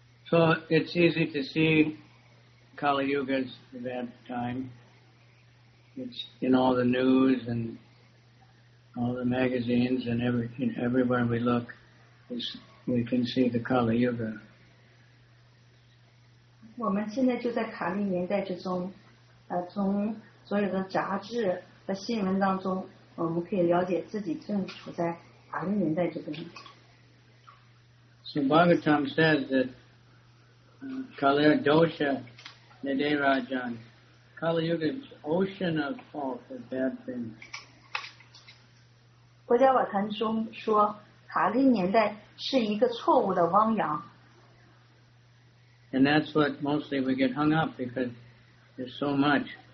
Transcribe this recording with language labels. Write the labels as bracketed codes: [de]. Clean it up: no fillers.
[en] So it's easy to see Kali Yuga's bad time. It's in all the news and all the magazines and everywhere we look, we can see the Kali Yuga. [zh] 我们现在就在卡利年代之中，从所有的杂志和新闻当中。 [en] So Bhagavatam says that [sa] Kali Dosha Nide Rajan, [en] Kali Yuga's ocean of fault of bad things. [zh] 国家瓦坛中说, 卡利年代是一个错误的汪洋。 [en] And that's what mostly we get hung up because there's so much.